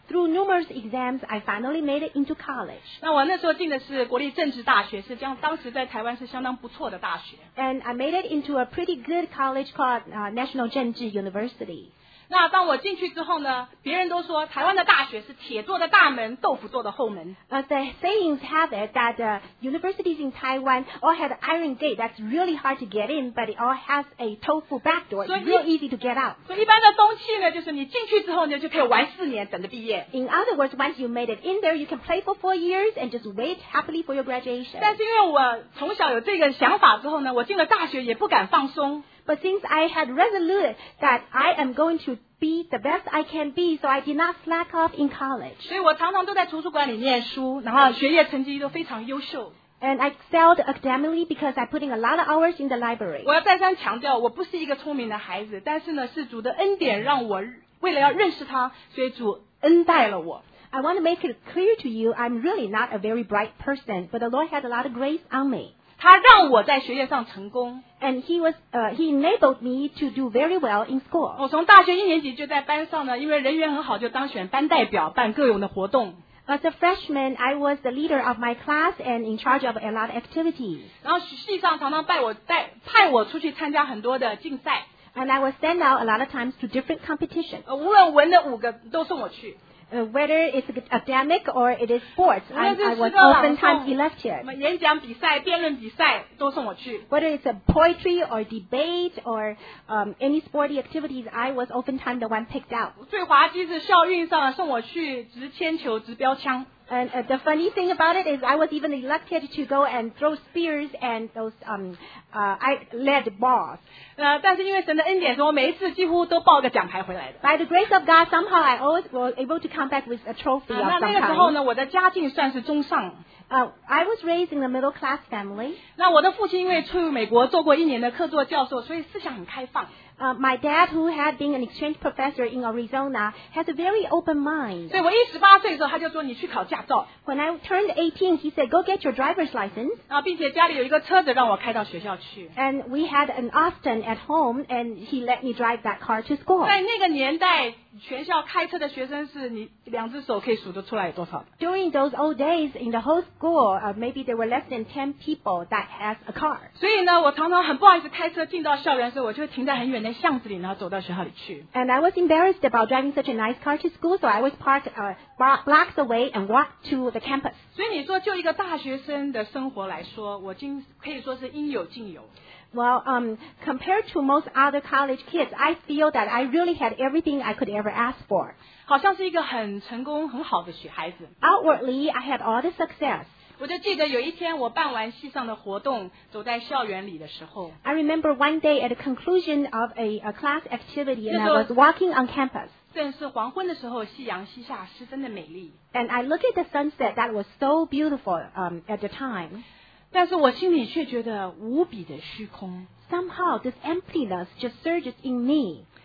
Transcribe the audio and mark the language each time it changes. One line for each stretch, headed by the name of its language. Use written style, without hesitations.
English: Through numerous exams, I finally made it into college.
Chinese: 那我那时候进的是国立政治大学，是将当时在台湾是相当不错的大学。
English: And I made it into a pretty good college called National 政治 University.
Chinese: 那当我进去之后呢，别人都说台湾的大学是铁做的大门，豆腐做的后门。
English: The sayings have it that universities in Taiwan all have an iron gate that's really hard to get in, but it all has a tofu back door, real easy to get out.
Chinese: 所以一般的风气呢，就是你进去之后呢，就可以玩四年，等着毕业。
English: In other words, once you made it in there, you can play for 4 years and just wait happily for your graduation.
Chinese: 但是因为我从小有这个想法之后呢，我进了大学也不敢放松。
English: But since I had resolute that I am going to be the best I can be, so I did not slack off in college.
Chinese: 所以我常常都在图书馆里念书，然后学业成绩都非常优秀。
English: And I excelled academically because I put in a lot of hours in the library.
Chinese: 我要再三强调，我不是一个聪明的孩子，但是呢，是主的恩典让我为了要认识他，所以主恩待了我。
English: I want to make it clear to you, I'm really not a very bright person, but the Lord had a lot of grace on me.
Chinese: 他让我在学业上成功。
English: And he enabled me to do very well in school.
Chinese: 我从大学一年级就在班上呢，因为人缘很好，就当选班代表，办各种的活动。
English: As a freshman, I was the leader of my class and in charge of a lot of activities.
Chinese: 然后系上常常派我出去参加很多的竞赛。
English: And I was sent out a lot of times to different competitions.
Chinese: 无论文的五个都送我去。
English: Whether it's academic or it is sports, I was oftentimes elected.
Chinese: 演讲比赛、辩论比赛都送我去。
English: Whether it's a poetry or debate or any sporty activities, I was oftentimes the one picked out.
Chinese: 最滑稽是校运上送我去掷铅球、掷标枪。
English: And the funny thing about it is I was even elected to go and throw spears and those lead balls.
Chinese: 但是因为神的恩典，我每一次几乎都抱个奖牌回来的。
English: By the grace of God, somehow I always was able to come back with a trophy of some kind.
Chinese: 那个时候呢，我的家境算是中上。
English: I was raised in a middle class family.
Chinese: 那我的父亲因为去美国做过一年的客座教授，所以思想很开放。
English: My dad, who had been an exchange professor in Arizona, has a very open mind.
Chinese: 所以我一十八岁的时候，他就说你去考驾照。
English: When I turned 18, he said, go get your driver's license.
Chinese: 啊，并且家里有一个车子让我开到学校去。
English: And we had an Austin at home, and he let me drive that car to school.
Chinese: 在那个年代，全校开车的学生是你两只手可以数得出来有多少。
English: During those old days, in the whole school, maybe there were less than 10 people that has a car.
Chinese: 所以呢，我常常很不好意思开车进到校园的时候，我就停在很远的。在巷子里，然后走到学校里去。
English: And I was embarrassed about driving such a nice car to school, so I was parked blocks away and walked to the campus.
Chinese: 所以你说，就一个大学生的生活来说，我今可以说是应有尽有。
English: Well, compared to most other college kids, I feel that I really had everything I could ever ask for.
Chinese: 好像是一个很成功、很好的小孩子。
English: Outwardly, I had all the success.
Chinese: 我就记得有一天我办完系上的活动走在校园里的时候
English: I remember one day at the conclusion of a class activity and I was walking on campus
Chinese: 正是黄昏的时候夕阳西下十分的美丽
English: And I look at the sunset that was so beautiful at the time
Chinese: 但是我心里却觉得无比的虚空
English: Somehow this emptiness just surges in me